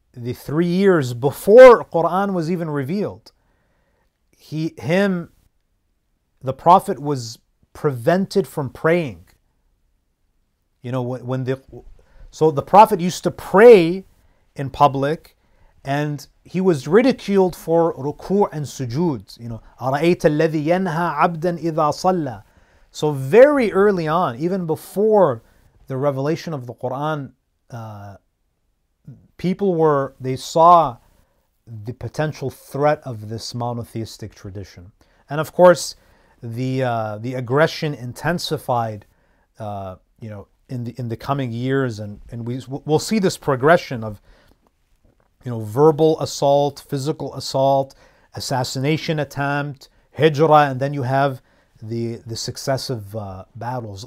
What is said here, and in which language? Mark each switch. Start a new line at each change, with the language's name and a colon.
English: the 3 years before Quran was even revealed, the Prophet was prevented from praying. You know, so the Prophet used to pray in public, and he was ridiculed for ruku' and sujood. You know,
Arabic: أَرَأَيْتَ الَّذِي يَنْهَى عَبْدًا إِذَا صَلَّى.
English: So very early on, even before the revelation of the Quran, they saw the potential threat of this monotheistic tradition. And of course, the aggression intensified, in the coming years, and we'll see this progression of, you know, verbal assault, physical assault, assassination attempt, hijra, and then you have the successive battles.